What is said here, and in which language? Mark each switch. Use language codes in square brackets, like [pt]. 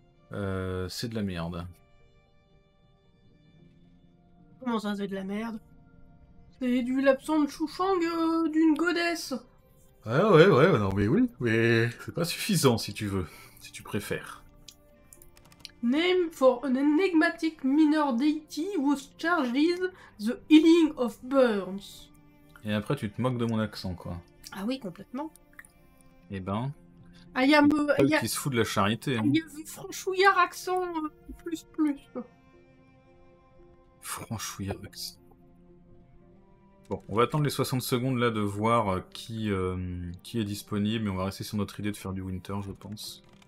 [fr] C'est de la merde. Comment ça, c'est de la merde? C'est du lapsang de chouchang d'une godesse. Ah ouais, ouais, ouais, non, mais oui. Mais c'est pas suffisant si tu veux. Si tu préfères. [en] Name for an enigmatic minor deity whose charge is the healing of burns. [fr] Et après, tu te moques de mon accent, quoi. Ah oui, complètement. Eh ben... [en] I am, [fr] qui se fout de la charité. Il y a un franchouillard accent plus plus. Franchouillard accent. Bon, on va attendre les 60 secondes là de voir qui est disponible. Mais on va rester sur notre idée de faire du winter, je pense.